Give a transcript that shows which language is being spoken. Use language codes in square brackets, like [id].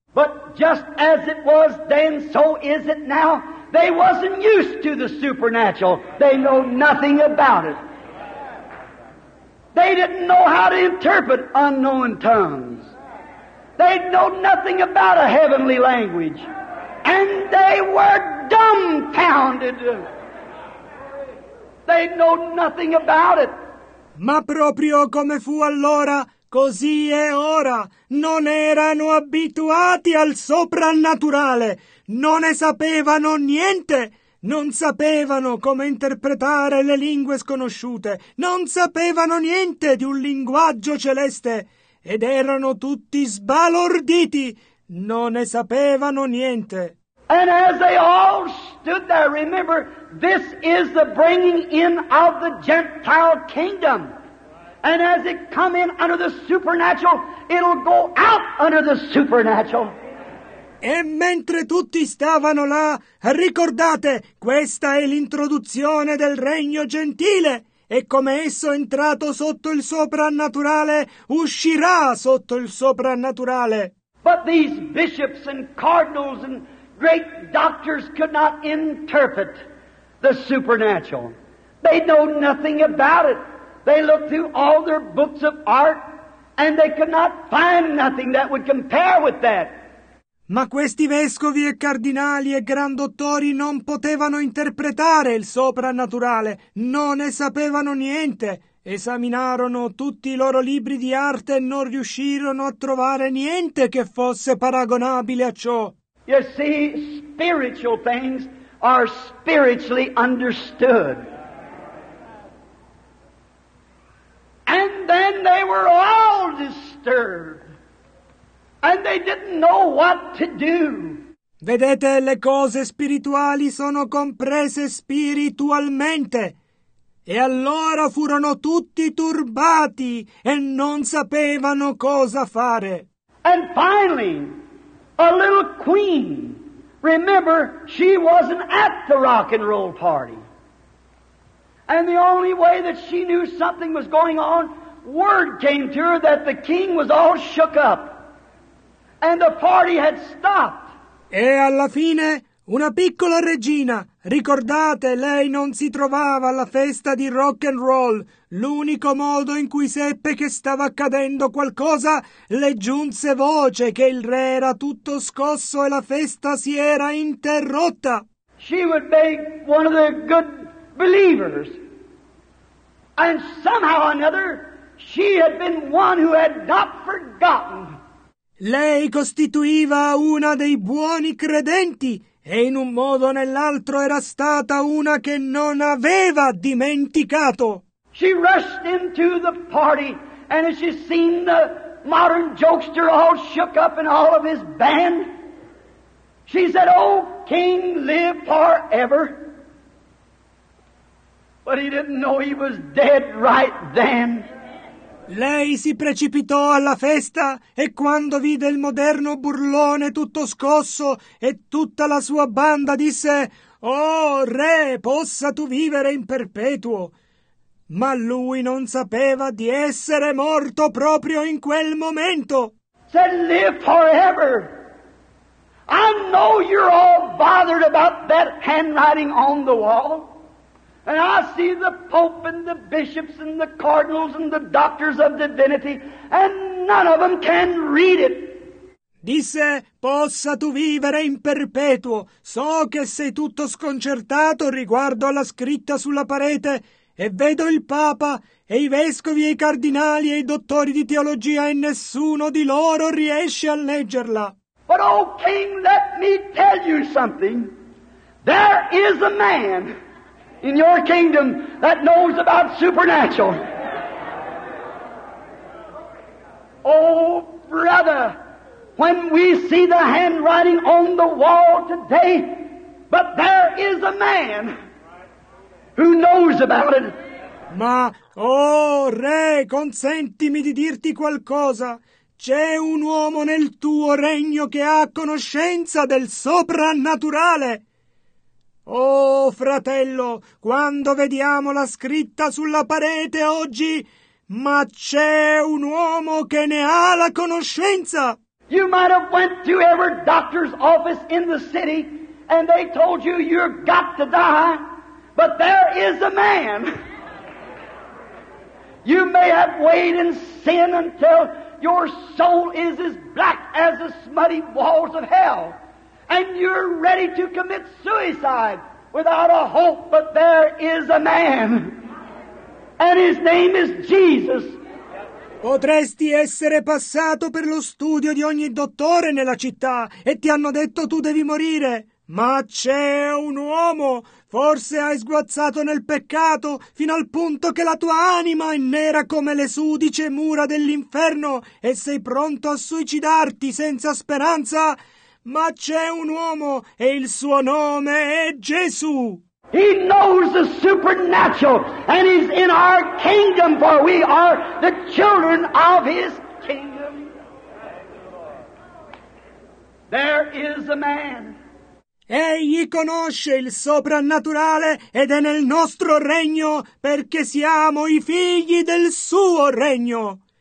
[en] But just as it was then, so is it now. They wasn't used to the supernatural. They know nothing about it. They didn't know how to interpret unknown tongues. They know nothing about a heavenly language. And they were dumbfounded. They know nothing about it. [it] Ma proprio come fu allora, così è ora. Non erano abituati al soprannaturale. Non ne sapevano niente. Non sapevano come interpretare le lingue sconosciute. Non sapevano niente di un linguaggio celeste. Ed erano tutti sbalorditi. Non ne sapevano niente. [en] And as they all stood there, remember, this is the bringing in of the Gentile kingdom. And as it come in under the supernatural, it'll go out under the supernatural. [it] E mentre tutti stavano là, ricordate, questa è l'introduzione del regno gentile, e come esso è entrato sotto il soprannaturale, uscirà sotto il soprannaturale. [en] But these bishops and cardinals and great doctors could not interpret the supernatural. They know nothing about it. They looked through all their books of art, and they could not find nothing that would compare with that. [it] Ma questi vescovi e cardinali e gran dottori non potevano interpretare il soprannaturale, non ne sapevano niente. Esaminarono tutti i loro libri di arte e non riuscirono a trovare niente che fosse paragonabile a ciò. [en] You see, spiritual things are spiritually understood. And then they were all disturbed. And they didn't know what to do. [it] Vedete, le cose spirituali sono comprese spiritualmente. E allora furono tutti turbati e non sapevano cosa fare. [en] And finally, a little queen. Remember, she wasn't at the rock and roll party. And the only way that she knew something was going on, word came to her that the king was all shook up. And the party had stopped. [it] E alla fine, una piccola regina. Ricordate, lei non si trovava alla festa di rock and roll. L'unico modo in cui seppe che stava accadendo qualcosa, le giunse voce che il re era tutto scosso e la festa si era interrotta. [en] She would be one of the good believers. And somehow or another, she had been one who had not forgotten. [it] Lei costituiva una dei buoni credenti e in un modo o nell'altro era stata una che non aveva dimenticato. [en] She rushed into the party and as she seen the modern jokester all shook up and all of his band, she said, "Oh, King, live forever." But he didn't know he was dead right then. [it] Lei si precipitò alla festa e quando vide il moderno burlone tutto scosso e tutta la sua banda disse «Oh, re, possa tu vivere in perpetuo!» Ma lui non sapeva di essere morto proprio in quel momento. [en] Said, "Live forever! I know you're all bothered about that handwriting on the wall. And I see the Pope and the bishops and the cardinals and the doctors of divinity, and none of them can read it." [it] Disse, "Possa tu vivere in perpetuo. So che sei tutto sconcertato riguardo alla scritta sulla parete, e vedo il Papa e i vescovi e i cardinali e i dottori di teologia, e nessuno di loro riesce a leggerla." [en] "But oh King, let me tell you something. There is a man in your kingdom that knows about supernatural. Oh, brother, when we see the handwriting on the wall today, but there is a man who knows about it." [it] Ma, oh, re, consentimi di dirti qualcosa. C'è un uomo nel tuo regno che ha conoscenza del soprannaturale. Oh, fratello, quando vediamo la scritta sulla parete oggi, ma c'è un uomo che ne ha la conoscenza. [en] You might have went to every doctor's office in the city and they told you you've got to die, but there is a man You may have wade in sin until your soul is as black as the smutty walls of hell. And you're ready to commit suicide without a hope, but there is a man. And his name is Jesus. [it] Potresti essere passato per lo studio di ogni dottore nella città e ti hanno detto tu devi morire. Ma c'è un uomo, forse hai sguazzato nel peccato fino al punto che la tua anima è nera come le sudice mura dell'inferno e sei pronto a suicidarti senza speranza. Ma c'è un uomo e il suo nome è Gesù. [en] He knows the supernatural and is in our kingdom, for we are the children of his kingdom. There is a man. [it] Egli conosce il soprannaturale ed è nel nostro regno perché siamo i figli del suo regno.